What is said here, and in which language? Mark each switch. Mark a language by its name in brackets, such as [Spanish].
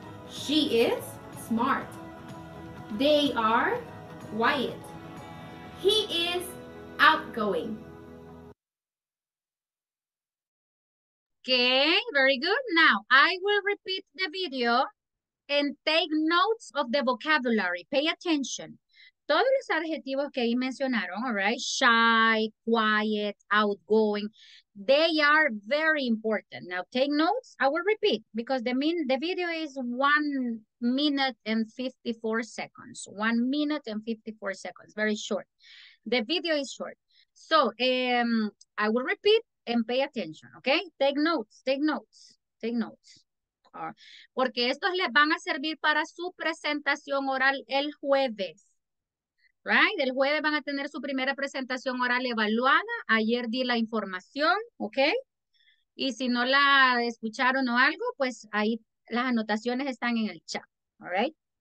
[English] She is smart. They are quiet. He is outgoing. Okay, very good. Now, I will repeat the video and take notes of the vocabulary. Pay attention. [Spanish] Todos los adjetivos que ahí mencionaron, [English] all right? Shy, quiet, outgoing. They are very important. Now take notes. I will repeat because the video is 1 minute and 54 seconds. 1 minute and 54 seconds. Very short. The video is short. So I will repeat and pay attention, okay? Take notes, take notes, take notes. [Spanish] Porque estos les van a servir para su presentación oral el jueves. Right? El jueves van a tener su primera presentación oral evaluada. Ayer di la información, ¿ok? Y si no la escucharon o algo, pues ahí las anotaciones están en el chat, [English] ¿all right?